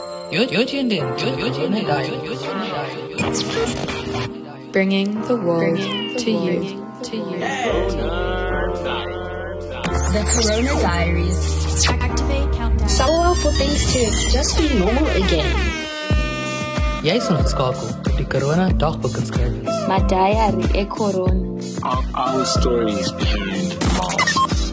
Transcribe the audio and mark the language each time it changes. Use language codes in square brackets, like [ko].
[en] You're tuned in. Bringing the world to you. To you. The Corona Diaries. Activate countdown. Sawa for things to just be normal again. [af] Jy is ons skakel op die Corona dagboek inskrywings. [en] My diary e Corona. Our stories behind masks.